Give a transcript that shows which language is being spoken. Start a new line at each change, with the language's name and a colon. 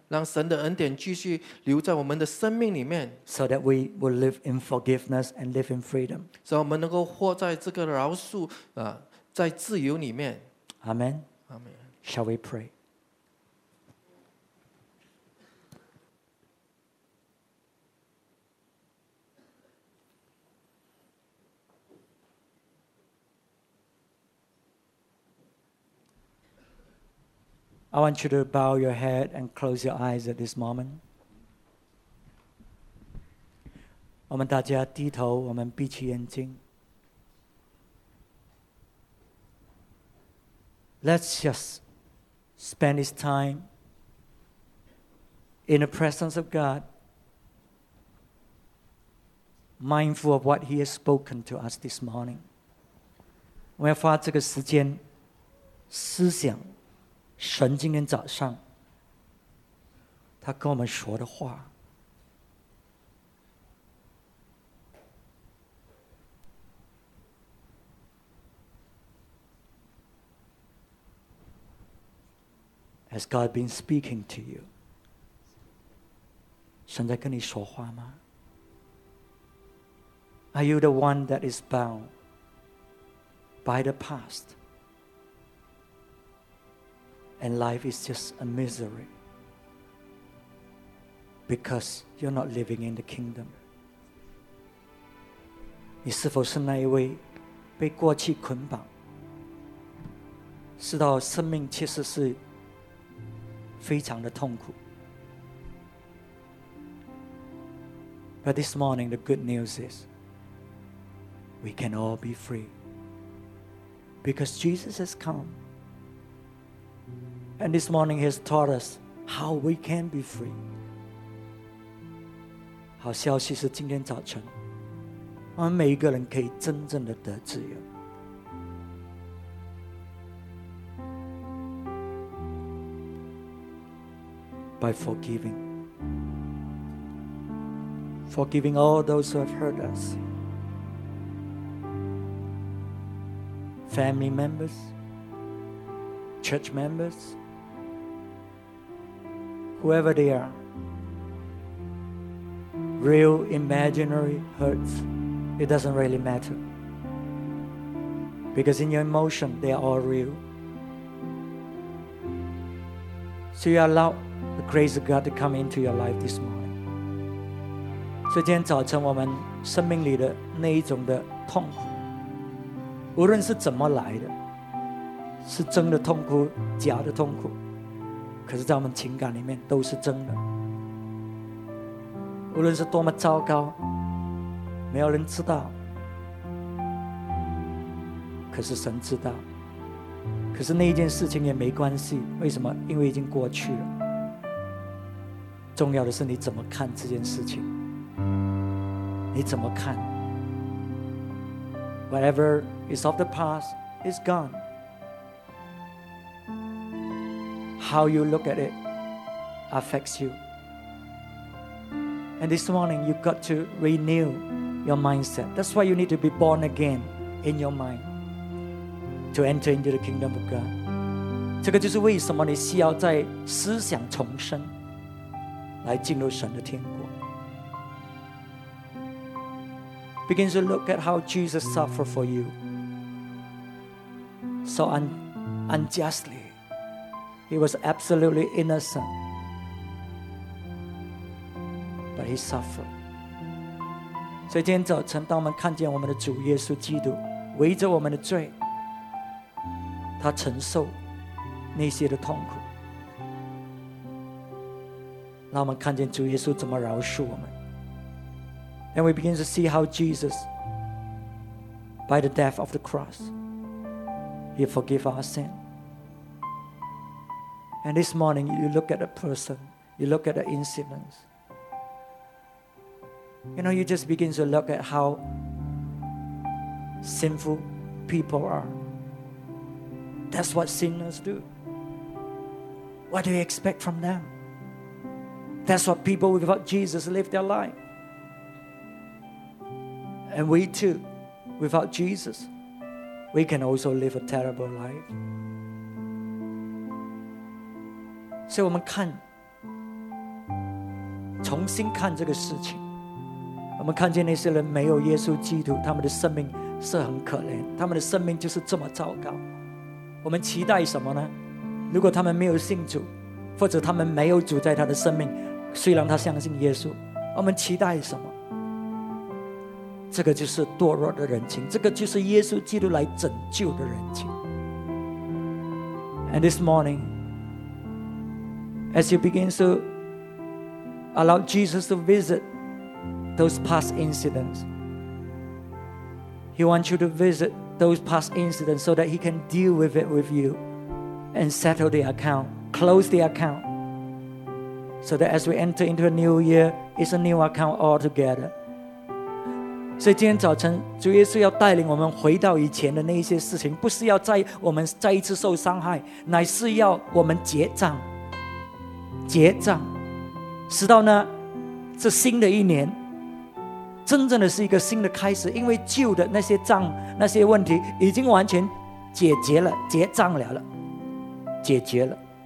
Chinese: 让神的恩典继续留在我们的生命里面。
English: So that we will live in forgiveness and live in freedom.
Chinese: 所以我们能够活在这个饶恕，在自由里面。
English: Amen. Amen. Shall we pray? I want you to bow your head and close your eyes at this moment.
Chinese: 我们大家低头，我们闭起眼睛。
English: Let's just spend this time in the presence of God, mindful of what He has spoken to us this morning.
Chinese: 我们要花这个时间思想神今天早上他跟我们说的话。
English: Has God been speaking to you?
Chinese: 神在跟你说话吗？
English: Are you the one that is bound by the past? And life is just a misery because you're not living in the kingdom.
Chinese: 你是否是那一位被过去捆绑，使到生命其实是非常的痛苦？
English: But this morning, the good news is we can all be free because Jesus has come. And this morning, He has taught us how we can be free.
Chinese: 好消息是今天早晨，我们每一个人可以真正的得自由。
English: By forgiving all those who have hurt us, family members, church members, whoever they are, real, imaginary hurts, it doesn't really matter. Because in your emotion, they are all real. So you allow the grace of God to come into your life this morning.
Chinese: So 今天早晨我们生命里的那一种的痛苦，无论是怎么来的，是真的痛苦，假的痛苦，可是在我们情感里面都是真的。无论是多么糟糕，没有人知道，可是神知道。可是那一件事情也没关系，为什么？因为已经过去了。重要的是你怎么看这件事情，你怎么看。
English: Whatever is of the past is gone. How you look at it affects you. And this morning you've got to renew your mindset. That's why you need to be born again in your mindTo enter into the kingdom of God.
Chinese: 这个就是为什么你需要在思想重生来进入神的天国。
English: Begin to look at how Jesus suffered for you. So unjustly. He was absolutely innocent. But he suffered.
Chinese: 所以今天早晨当我们看见我们的主耶稣基督围着我们的罪，他承受那些的痛苦，让我们看见主耶稣怎么饶恕我们。
English: And we begin to see how Jesus, by the death of the cross, he forgave our sin. And this morning, you look at a person, you look at the incidents, you know, you just begin to look at how sinful people are. That's what sinners do. What do you expect from them? That's what people without Jesus live their life. And we too, without Jesus, we can also live a terrible life. So we look,
Chinese: 重新看这个事情，我们看见那些人没有耶稣基督，他们的生命是很可怜，他们的生命就是这么糟糕。我们期待什么呢？如果他们没有信主，或者他们没有主在他的生命，虽然他相信耶稣，我们期待什么？这个就是堕落的人情，这个就是耶稣基督来拯救的人情。
English: And this morning, as you begin to allow Jesus to visit those past incidents, he wants you to visitThose past incidents, so that he can deal with it with you and settle the account, close the account, so that as we enter into a new year, it's a new account altogether.
Chinese: So, 今天早晨，主耶稣要带领我们回到以前的那些事情，不是要再我们再一次受伤害，乃是要我们结账，结账，直到呢，这新的一年。真正的是一个新的开始，因为旧的那些账、那些问题已经完全解决了，结账了了，解决了。